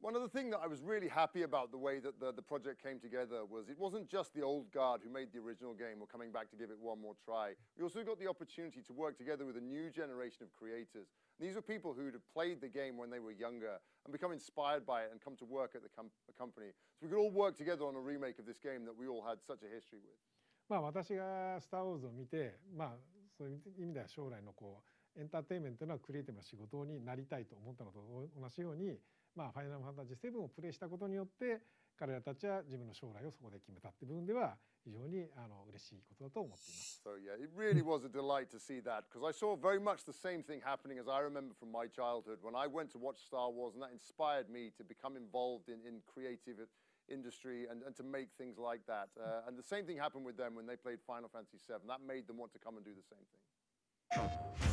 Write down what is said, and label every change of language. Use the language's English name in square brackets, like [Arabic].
[English] One of the things that I was really happy about the way that the project came together was it wasn't just the old guard who made the original game were coming back to give it one more try. We also got the opportunity to work together with a new generation of creators. These were people who'd have played the game when they were younger and become inspired by it and come to work at the company. So we could all work together on a remake of this game that we all had such a history with. [Japanese] まあ私がスターウォーズを見て、まあそういう意味では将来のこうエンターテインメントのクリエイティブな仕事になりたいと思ったのと同じように、まあ、ファイナルファンタジー7をプレイしたことによって彼らたちは自分の将来をそこで決めたという部分では非常に嬉しいことだと思っています。 [English] So yeah, it really was a delight to see that because I saw very much the same thing happening as I remember from my childhood when I went to watch Star Wars and that inspired me to become involved in creative industry and to make things like that. And the same thing happened with them when they played Final Fantasy 7. That made them want to come and do the same thing.